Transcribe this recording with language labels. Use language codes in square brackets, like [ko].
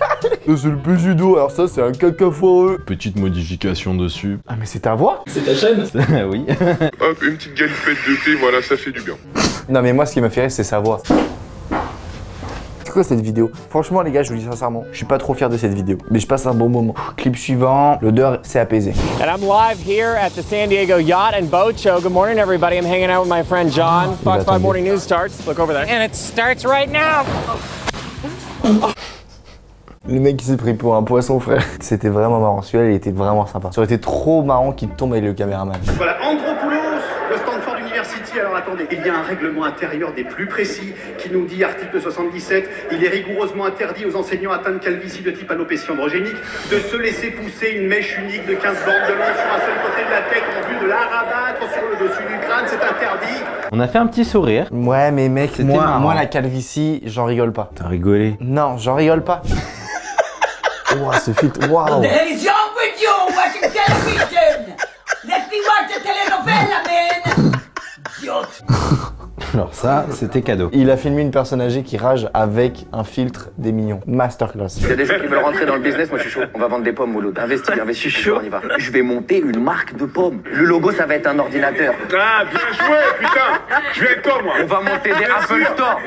[fr] C'est le plus judo, alors ça c'est un caca foireux. Petite modification dessus. Ah mais c'est ta voix? C'est ta chaîne? Oui. Hop, une petite galipette de thé, voilà, ça fait du bien. Non mais moi ce qui m'a fait rire c'est sa voix. C'est quoi cette vidéo? Franchement les gars, je vous dis sincèrement, je suis pas trop fier de cette vidéo. Mais je passe un bon moment. Clip suivant, l'odeur s'est apaisée. [en] And I'm live here at the San Diego Yacht and Boat Show. Good morning everybody, I'm hanging out with my friend John. Fox 5 Morning News starts, look over there. And it starts right now. [fr] Le mec il s'est pris pour un poisson frère. C'était vraiment marrant, celui-là il était vraiment sympa. Ça aurait été trop marrant qu'il tombe avec le caméraman. Voilà, Andropoulos de Stanford University. Alors attendez, il y a un règlement intérieur des plus précis qui nous dit, article 77, il est rigoureusement interdit aux enseignants atteints de calvitie de type alopécie androgénique de se laisser pousser une mèche unique de 15 bandes de long sur un seul côté de la tête en vue de la rabattre sur le dessus du crâne, c'est interdit. On a fait un petit sourire. Ouais mais mec, moi la calvitie, j'en rigole pas. T'as rigolé? Non, j'en rigole pas. Wow, ce filtre, wow. [en] What the hell is wrong with you watching television? Let me watch the telenovela, man! Idiot! [fr] Alors ça, c'était cadeau. Il a filmé une personne âgée qui rage avec un filtre des mignons. Masterclass. Il y a des gens qui veulent rentrer dans le business, moi je suis chaud. On va vendre des pommes, Mouloud. Investir, investir. Je suis chaud. On y va. Je vais monter une marque de pommes. Le logo, ça va être un ordinateur. Ah, bien joué, putain. Je vais être toi, moi. On va monter des Apple Store.